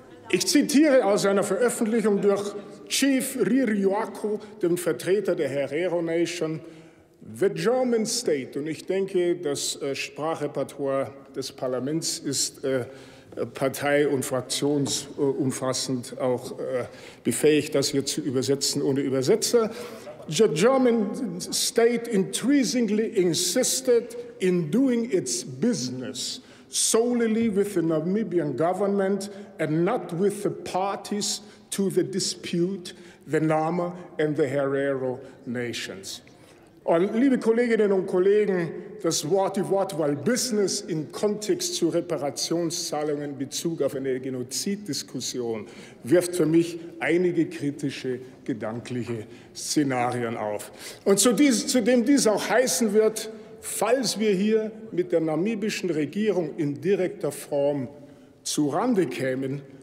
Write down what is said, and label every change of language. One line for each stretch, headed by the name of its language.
German: Ich zitiere aus einer Veröffentlichung durch Chief Ririwako, den Vertreter der Herero Nation:
English: The German State,
German: und ich denke, das Sprachrepertoire des Parlaments ist partei- und fraktionsumfassend auch befähigt, das hier zu übersetzen ohne Übersetzer.
English: The German state increasingly insisted in doing its business solely with the Namibian government and not with the parties to the dispute, the Nama and the Herero nations.
German: Und liebe Kolleginnen und Kollegen, das Wort, die Wortwahl Business im Kontext zu Reparationszahlungen in Bezug auf eine Genoziddiskussion wirft für mich einige kritische gedankliche Szenarien auf. Und zu dem dies auch heißen wird, falls wir hier mit der namibischen Regierung in direkter Form zu Rande kämen,